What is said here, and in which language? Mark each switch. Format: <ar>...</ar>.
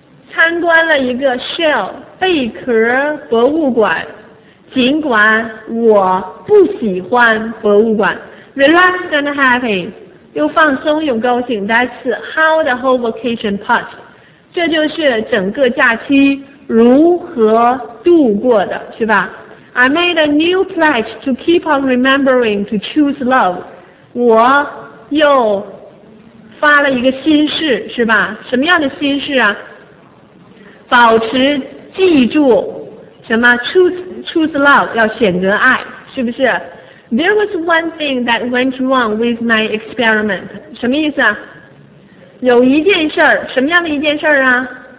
<zh>参观了一个</zh> <en>Shell</en> <zh>贝壳博物馆尽管我不喜欢博物馆</zh> <en>relaxed and happy</en> <zh>又放松又高兴</zh> <en>that's how the whole vacation passed</en> <zh>这就是整个假期如何度过的是吧</zh> <en>I made a new pledge to keep on remembering to choose love.</en> <zh>我又发了一个心誓，是吧？什么样的心誓啊？保持记住什么</zh> <en>choose love</en> <zh>要选择爱，是不是</zh> <en>？There was one thing that went wrong with my experiment.</en> <zh>什么意思啊？有一件事儿，什么样的一件事儿啊？</zh>